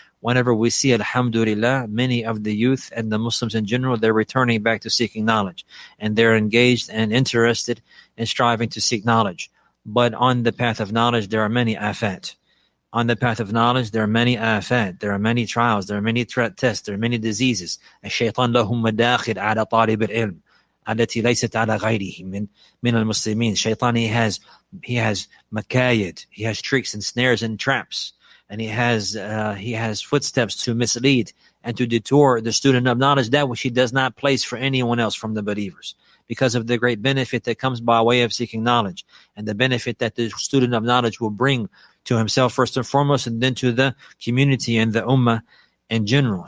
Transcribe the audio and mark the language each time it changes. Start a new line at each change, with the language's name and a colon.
English: Whenever we see, alhamdulillah, many of the youth and the Muslims in general, they're returning back to seeking knowledge. And they're engaged and interested in striving to seek knowledge. But on the path of knowledge, there are many afat. On the path of knowledge, there are many afat. There are many trials. There are many threat tests. There are many diseases.
Arabic: الشيطان له مداخل على طالب العلم التي ليست على غيره من المسلمين.
English: Shaitan, he has makayid. He has tricks and snares and traps. And he has footsteps to mislead and to detour the student of knowledge, that which he does not place for anyone else from the believers, because of the great benefit that comes by way of seeking knowledge, and the benefit that the student of knowledge will bring to himself first and foremost, and then to the community and the ummah in general.